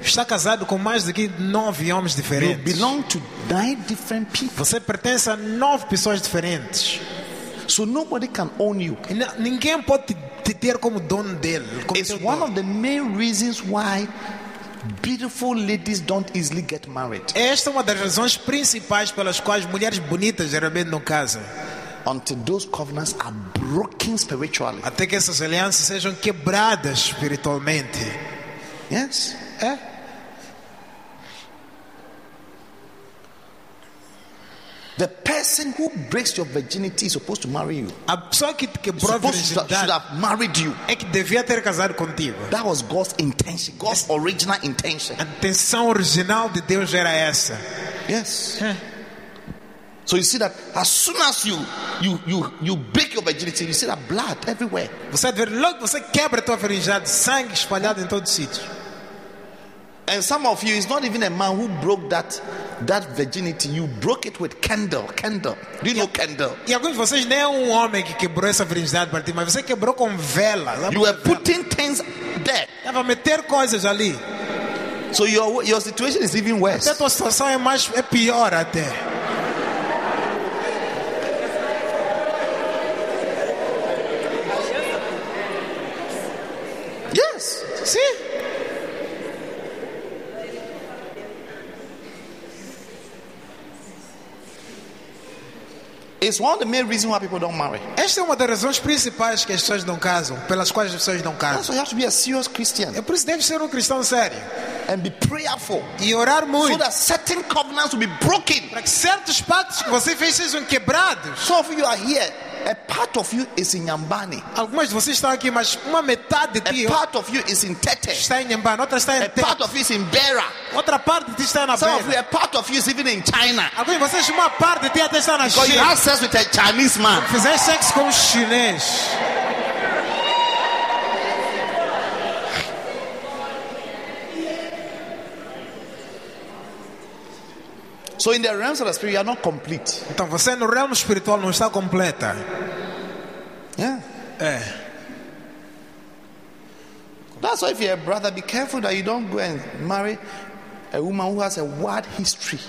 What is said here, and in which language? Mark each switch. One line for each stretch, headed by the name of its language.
Portuguese: Está casado com mais de 9 homens diferentes.
English: You belong to 9 different people.
Portuguese: Você pertence a 9 pessoas diferentes.
English: So nobody can own you.
Portuguese: Ninguém pode te ter como dono dele. Como
English: it's one
Portuguese: dono.
English: Of the main reasons why beautiful ladies don't easily get married.
Portuguese: Esta é uma das razões principais pelas quais mulheres bonitas geralmente não casam.
English: Until those covenants are broken spiritually.
Portuguese: Até que essas alianças sejam quebradas espiritualmente.
English: Yes?
Portuguese: É.
English: The person who breaks your virginity is supposed to marry you.
Portuguese: A pessoa que quebrou a virgindade
English: should have married you.
Portuguese: É que devia ter casado contigo.
English: That was God's intention. God's original intention.
Portuguese: A intenção original de Deus era essa.
English: Yes. So you see that as soon as you break your virginity, you see that blood everywhere.
Portuguese: Você vê logo você quebra tua virgindade, sangue espalhado em todo sítio.
English: And some of you, it's not even a man who broke that virginity. You broke it with candle. Do you know candle?
Portuguese: E alguns de vocês nem é homem que quebrou essa virgindade para ti, mas você quebrou com vela.
English: You were putting things there.
Portuguese: Estava a meter coisas ali.
English: So your situation is even worse.
Portuguese: Até tua situação é pior até.
English: Yes.
Portuguese: Sim.
English: It's one of the main reasons why people don't marry.
Portuguese: Esta é uma das razões principais que as pessoas não casam, pelas quais as pessoas não casam.
English: That's why you have to be a serious Christian.
Portuguese: É por isso que deve ser um cristão sério.
English: And be prayerful.
Portuguese: E orar muito.
English: So that certain covenants will be broken.
Portuguese: Para que certos pactos que você fez sejam quebrados.
English: So if you are here, a part of you is in Nyambani.
Portuguese: Algumas de vocês estão aqui, mas uma metade de ti.
English: A part of you is in Tete.
Portuguese: Está em Nyambani, outra está em Tete.
English: A part of you is in Beira.
Portuguese: Outra parte de ti está na Beira.
English: A part of you is even in China.
Portuguese: Alguns de vocês uma parte de ti até está na China.
English: Because you have sex with a Chinese man.
Portuguese: Fizer sexo com um chinês.
English: So in the realms of the spirit, you are not complete.
Portuguese: Então você no reino espiritual não está completa.
English: Yeah.
Portuguese: É.
English: That's why if you're a brother, be careful that you don't go and marry a woman who has a bad history.